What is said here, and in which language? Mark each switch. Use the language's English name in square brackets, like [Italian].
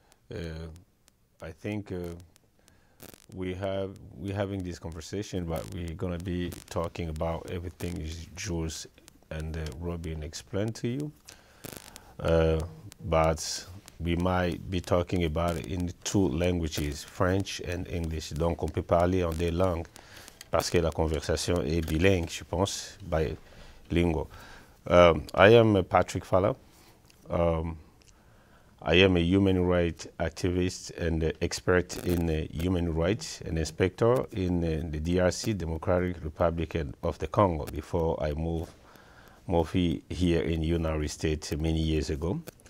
[English] I think we're having this conversation, but we're going to be talking about everything Jules and Robin explained to you. But we might be talking about it in two languages, French and English. [French] Donc on peut parler en deux langues parce que la conversation est bilingue, je pense, bilingue. [English] I am Patrick Fala. I am a human rights activist and expert in human rights and inspector in the DRC, Democratic Republic of the Congo, before I moved here in the United States many years ago.